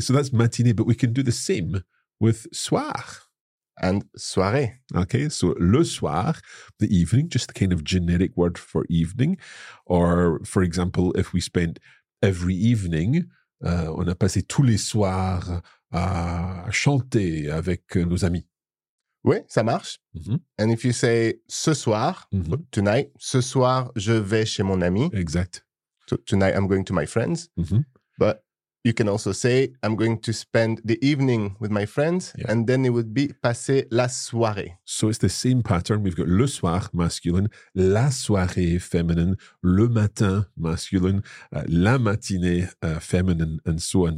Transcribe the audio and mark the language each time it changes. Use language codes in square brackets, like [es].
[en] So that's matinée, but we can do the same with soir. And soirée. Okay. So [fr] le soir, [en] the evening, just the kind of generic word for evening. Or, for example, if we spent every evening, [fr] on a passé tous les soirs à chanter avec nos amis. Oui, ça marche. Mm-hmm. [en] And if you say [fr] ce soir, [en] mm-hmm. [fr] tonight, ce soir, je vais chez mon ami. Exact. [en] So tonight, I'm going to my friends. Mm-hmm. But you can also say, I'm going to spend the evening with my friends. Yeah. And then it would be [fr] passer la soirée. [en] So it's the same pattern. We've got le soir, masculine, la soirée, feminine, le matin, masculine, la matinée, feminine, and so on.